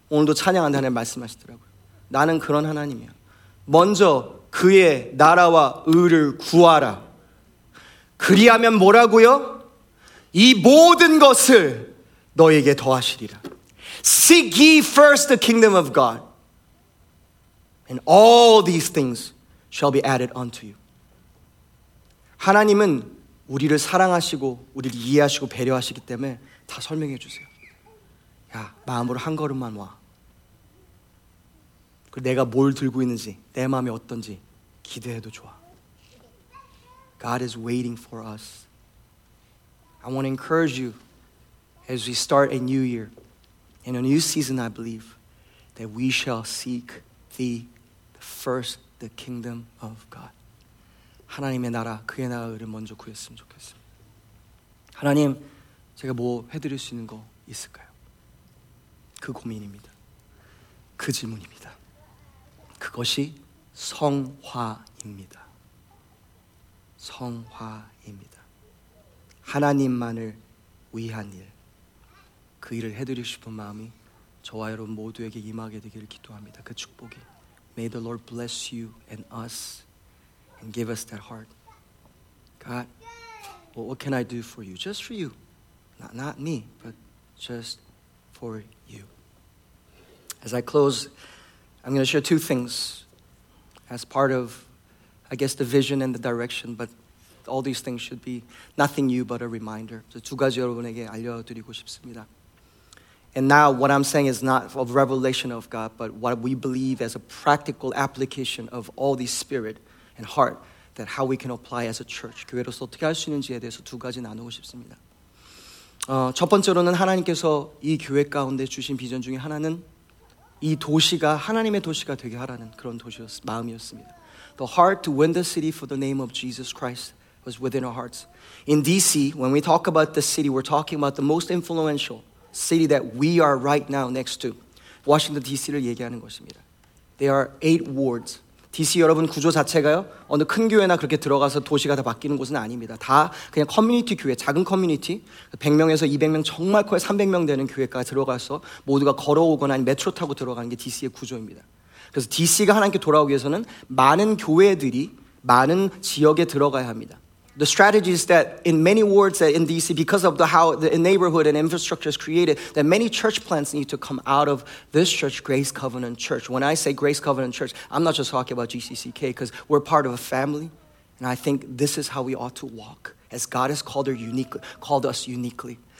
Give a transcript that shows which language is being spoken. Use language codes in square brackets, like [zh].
[ko] 오늘도 찬양한 하나님 말씀하시더라고요. 나는 그런 하나님이야. 먼저 그의 나라와 의를 구하라. 그리하면 뭐라고요? 이 모든 것을 너에게 더하시리라. [en] Seek ye first the kingdom of God. And all these things shall be added unto you. [ko] 하나님은 우리를 사랑하시고 우리를 이해하시고 배려하시기 때문에 다 설명해 주세요. 야, 마음으로 한 걸음만 와. 그리고 내가 뭘 들고 있는지, 내 마음이 어떤지 기대해도 좋아. [en] God is waiting for us. I want to encourage you as we start a new year and a new season, I believe, that we shall seek the first the kingdom of God. [ko] 하나님의 나라, 그의 나라를 먼저 구했으면 좋겠습니다. 하나님, 제가 뭐 해드릴 수 있는 거 있을까요? 그 고민입니다. 그 질문입니다. 그것이 성화입니다. 성화입니다. 하나님만을 위한 일, 그 일을 해드리고 싶은 마음이 저와 여러분 모두에게 임하게 되기를 기도합니다. 그 축복이. [en] May the Lord bless you and us and give us that heart. God, well, what can I do for you? Just for you. Not me, but just for you. As I close, I'm going to share two things as part of, I guess, the vision and the direction, but all these things should be nothing new but a reminder. [ko] 두 가지 여러분에게 알려드리고 싶습니다. [en] And now what I'm saying is not a revelation of God, but what we believe as a practical application of all the spirit and heart that how we can apply as a church. [ko] 교회로서 어떻게 할 수 있는지에 대해서 두 가지 나누고 싶습니다. 첫 번째로는 하나님께서 이 교회 가운데 주신 비전 중에 하나는 이 도시가 하나님의 도시가 되게 하라는 그런 마음이었습니다. [en] The heart to win the city for the name of Jesus Christ was within our hearts. In DC, when we talk about the city, we're talking about the most influential city that we are right now next to. [ko] Washington DC를 얘기하는 것입니다. [en] There are 8 wards. [ko] DC 여러분 구조 자체가요 어느 큰 교회나 그렇게 들어가서 도시가 다 바뀌는 곳은 아닙니다. 다 그냥 커뮤니티 교회, 작은 커뮤니티 100명에서 200명 정말 거의 300명 되는 교회까지 들어가서 모두가 걸어오거나 아니면 메트로 타고 들어가는 게 DC의 구조입니다. 그래서 DC가 하나님께 돌아오기 위해서는 많은 교회들이 많은 지역에 들어가야 합니다. [en] The strategy is that in many wards in DC, because of the how the neighborhood and infrastructure is created, that many church plants need to come out of this church, Grace Covenant Church. When I say Grace Covenant Church, I'm not just talking about GCCK because we're part of a family. And I think this is how we ought to walk as God has called us uniquely.